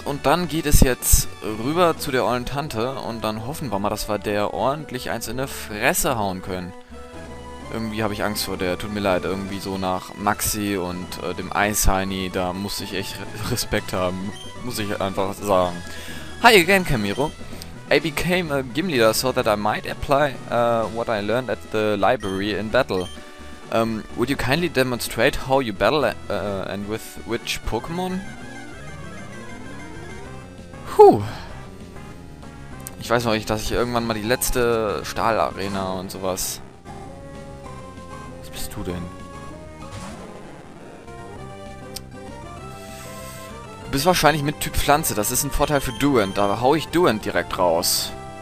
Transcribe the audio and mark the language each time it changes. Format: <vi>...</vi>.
<de>Und dann geht es jetzt rüber zu der ollen Tante. Und dann hoffen wir mal, dass wir der ordentlich eins in der Fresse hauen können. Irgendwie habe ich Angst vor der. Tut mir leid. Irgendwie so nach Maxi und dem Eishaini. Da muss ich echt Respekt haben. Muss ich einfach sagen.</de> <en>Hi again, Camiro. I became a gym leader so that I might apply what I learned at the library in battle. Would you kindly demonstrate how you battle and with which Pokémon? Puh.</en> <de>Ich weiß noch, dass ich irgendwann mal die letzte Stahlarena und sowas. Was bist du denn? Du bist wahrscheinlich mit Typ Pflanze, das ist ein Vorteil für Duent. Da hau ich Duent direkt raus.</de>